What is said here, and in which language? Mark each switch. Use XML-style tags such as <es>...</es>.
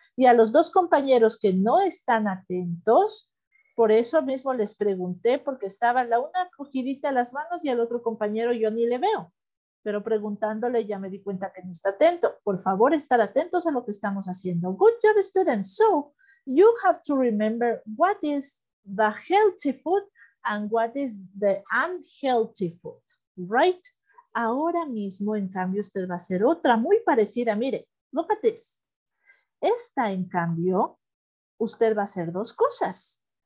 <es>Y a los dos compañeros que no están atentos, por eso mismo les pregunté, porque estaba la una cogidita las manos y al otro compañero yo ni le veo. Pero preguntándole ya me di cuenta que no está atento. Por favor, estar atentos a lo que estamos haciendo.</es> <en>Good job, students. So, you have to remember what is the healthy food and what is the unhealthy food, right?</en> <es>Ahora mismo, en cambio, usted va a hacer otra muy parecida.</es> <en>Mire, look at this.</en> <es>Esta, en cambio, usted va a hacer dos cosas.</es>